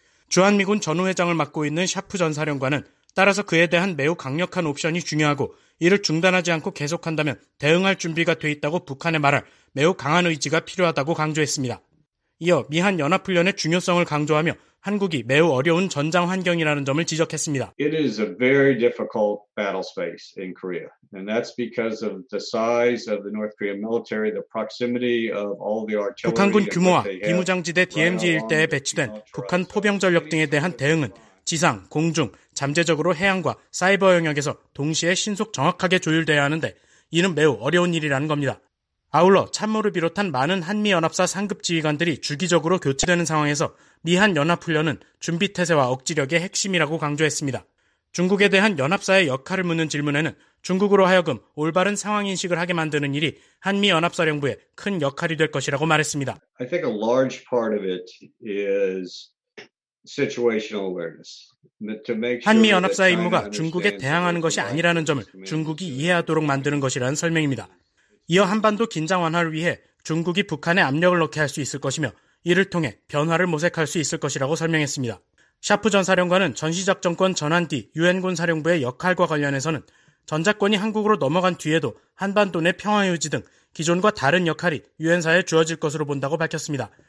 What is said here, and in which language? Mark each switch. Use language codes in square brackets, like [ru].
[ko] 주한미군 전우회장을 맡고 있는 샤프 전 사령관은 따라서 그에 대한 매우 강력한 옵션이 중요하고 이를 중단하지 않고 계속한다면 대응할 준비가 돼 있다고 북한에 말할 매우 강한 의지가 필요하다고 강조했습니다. 이어 미한 연합훈련의 중요성을 강조하며 한국이 매우 어려운 전장 환경이라는 점을 지적했습니다. [en] It is a very difficult battle space in Korea. And that's because of the size of the North Korean military, the proximity of all the artillery. [ko] 북한군 규모와 비무장지대 DMZ 일대에 배치된 북한 포병 전력 등에 대한 대응은 지상, 공중, 잠재적으로 해양과 사이버 영역에서 동시에 신속 정확하게 조율돼야 하는데 이는 매우 어려운 일이라는 겁니다. 아울러 참모를 비롯한 많은 한미연합사 상급 지휘관들이 주기적으로 교체되는 상황에서 미한 연합훈련은 준비태세와 억지력의 핵심이라고 강조했습니다. 중국에 대한 연합사의 역할을 묻는 질문에는 중국으로 하여금 올바른 상황 인식을 하게 만드는 일이 한미 연합사령부에 큰 역할이 될 것이라고 말했습니다. [en] I think a large part of it is situational awareness. [ko] 한미 연합사의 임무가 중국에 대항하는 것이 아니라는 점을 중국이 이해하도록 만드는 것이라는 설명입니다. 이어 한반도 긴장 완화를 위해 중국이 북한에 압력을 넣게 할 수 있을 것이며 이를 통해 변화를 모색할 수 있을 것이라고 설명했습니다. 샤프 전 사령관은 전시작전권 전환 뒤 유엔군 사령부의 역할과 관련해서는 전작권이 한국으로 넘어간 뒤에도 한반도 내 평화 유지 등 기존과 다른 역할이 유엔사에 주어질 것으로 본다고 밝혔습니다.